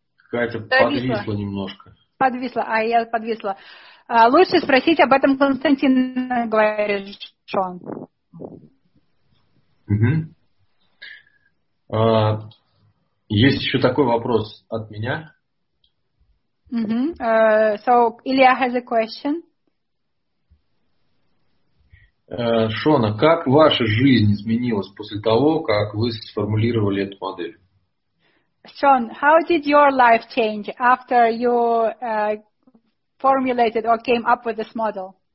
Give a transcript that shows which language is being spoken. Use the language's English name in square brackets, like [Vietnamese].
[Russian] Катя подвисла немножко. Подвисла, я подвисла. Лучше спросить об этом Константин, говорит Шон. Угу. Есть еще такой вопрос от меня. Угу. [English] So, Илья has a question. [Russian] Шона, как ваша жизнь изменилась после того, как вы сформулировали эту модель? [English] Sean, how did your life change after you formulated or came up with this model?